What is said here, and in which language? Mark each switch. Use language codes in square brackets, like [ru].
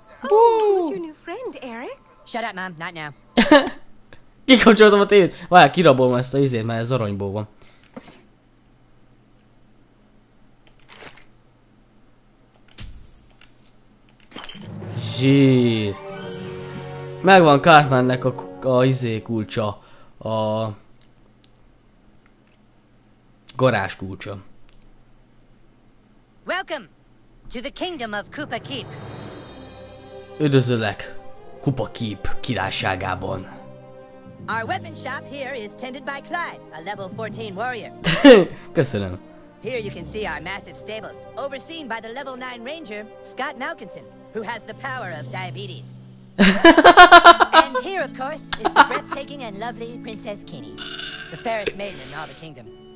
[en] Oh, who's your new friend, Eric? Shut up, mom. Not now. [hu] Kikapcsoltam a tévét. Várjál, kirabolom ezt a izét, mert ez aranyból van. Zsír. Megvan Cartmannek a izé kulcsa. A... garázs kulcsa. [en] Welcome to the kingdom of Koopa Keep. [hu] Üdvözöllek Koopa Keep királyságában. [en] Our weapon shop here is tended by Clyde, a level 14 warrior. [hu] Köszönöm. [en] Here you can see our massive stables, overseen by the level 9 ranger, Scott Malkinson, who has the power of diabetes. And here, of course, is the breathtaking and lovely Princess Kinney, the fairest maiden in all the kingdom.